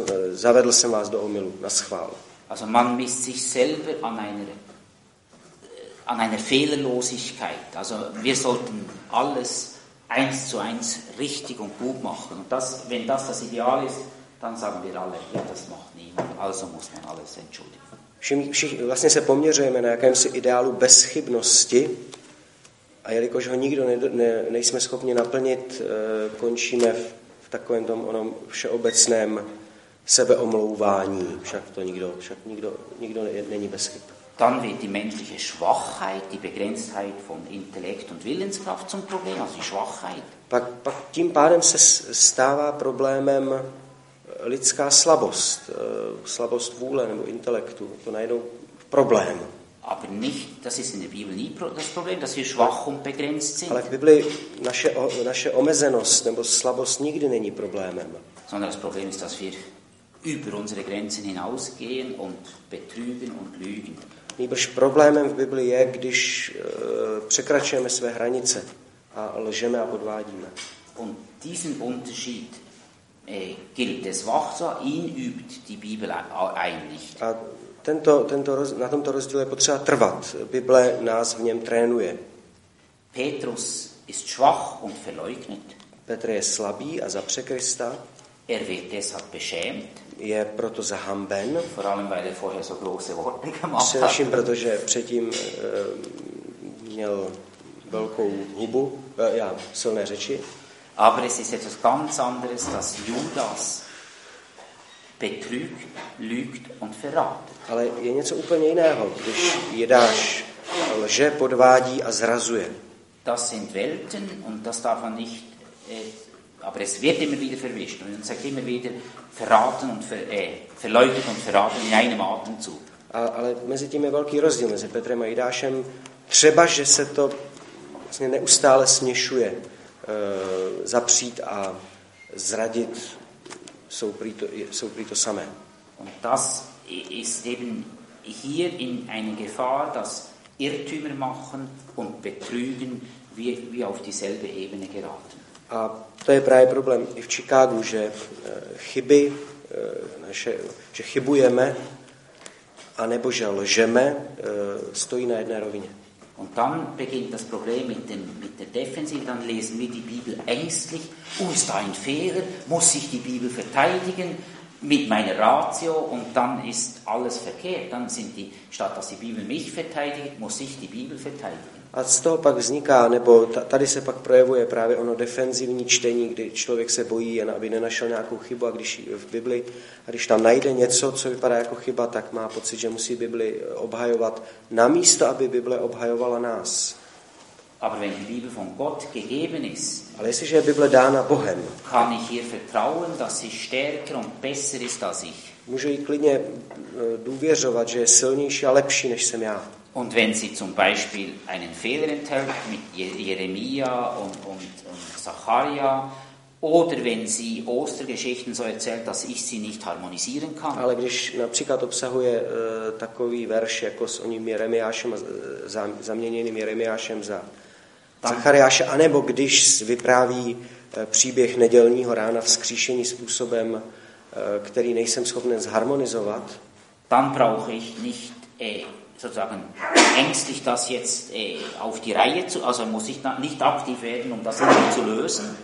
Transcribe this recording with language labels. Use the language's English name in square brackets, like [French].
[Czech] zavedl jsem vás do omylu na schvál. [German] Also man misst sich selber an einer Fehlerlosigkeit. Also wir sollten alles eins zu eins richtig und gut machen. Und das, wenn das das Ideal ist, dann sagen wir alle, ja, das macht niemand. Also muss man alles entschuldigen. [Czech] Vlastně se poměřujeme na jakémsi ideálu bezchybnosti a jelikož ho nikdo nejsme schopni naplnit, končíme v takovém tom onom všeobecném sebeomlouvání. Však nikdo není bez chyb. [German] Dann wird die menschliche Schwachheit, die Begrenztheit von Intellekt und Willenskraft zum Problem, also die Schwachheit. [Czech] Pak tím pádem se stává problémem lidská slabost, slabost vůle nebo intelektu, to najednou problém. [German] Aber nicht, das ist in der Bibel nie das Problem, dass wir schwach und begrenzt sind. [Czech] Ale v Biblii naše omezenost nebo slabost nikdy není problémem. [German] Sondern das Problem ist, dass wir über unsere Grenzen hinausgehen und betrügen und lügen. [Czech] Nýbrž problémem v Biblii je, když překračujeme své hranice a lžeme a podvádíme. [German] Und diesen Unterschied gilt es wach so, ihn übt die Bibel eigentlich. [Czech] A na tomto rozdíle je potřeba trvat. Bible nás v něm trénuje. [German] Petrus ist schwach und verleugnet. [Czech] Petr je slabý a zapře Krista. [German] Er wird deshalb beschämt. [Czech] Je proto zahamben. [German] Vor allem, weil er vorher so große Worte gemacht hat. [Czech] Především, protože předtím měl velkou hubu, silné řeči. [German] Aber es ist etwas ganz anderes, dass Judas betrügt, lügt und verrat. [Czech] Ale je něco úplně jiného, když Judas lže, podvádí a zrazuje. [German] Das sind Welten und das darf man nicht, aber es wird immer wieder verwischt. Und man sagt immer wieder, verraten und verleugnet und verraten in einem Atemzug. [Czech] Ale mezi tím je velký rozdíl mezi Petrem a Judášem. Třeba, že se to vlastně neustále směšuje. Zapřít a zradit jsou prý to samé. [German] Und das ist eben hier in eine Gefahr, dass Irrtümer machen und betrügen wie auf dieselbe Ebene geraten. [Czech] A to je právě problém i v Chicagu, že chyby naše, že chybujeme a nebo že lžeme, stojí na jedné rovině. [German] Und dann beginnt das Problem mit der Defensive, dann lesen wir die Bibel ängstlich, ist da ein Fehler, muss ich die Bibel verteidigen mit meiner Ratio und dann ist alles verkehrt, dann sind die, statt dass die Bibel mich verteidigt, muss ich die Bibel verteidigen. [Czech] A z toho pak vzniká, nebo tady se pak projevuje právě ono defenzivní čtení, kdy člověk se bojí, aby nenašel nějakou chybu a když v Bibli, a když tam najde něco, co vypadá jako chyba, tak má pocit, že musí Bibli obhajovat namísto, aby Bible obhajovala nás. [German] Aber wenn die Bibel von Gott gegeben ist, [Czech] ale jestliže je Bible dána Bohem, [German] kann ich ihr vertrauen, dass sie stärker und besser ist als ich. [Czech] Můžu jí klidně důvěřovat, že je silnější a lepší, než jsem já. [German] Und wenn sie zum Beispiel einen Fehler enthält mit Jeremia und Zacharia oder wenn sie Ostergeschichten so erzählt, dass ich sie nicht harmonisieren kann. [Czech] Ale když například obsahuje takový verš jako s oním Jeremiášem a zaměněným Jeremiášem za Zachariáše, anebo když vypráví příběh nedělního rána vzkříšení způsobem, který nejsem schopen zharmonizovat, [German] dann brauche ich nicht sozusagen ängstlich das jetzt auf die Reihe zu, also muss ich nicht aktiv werden, um das zu lösen.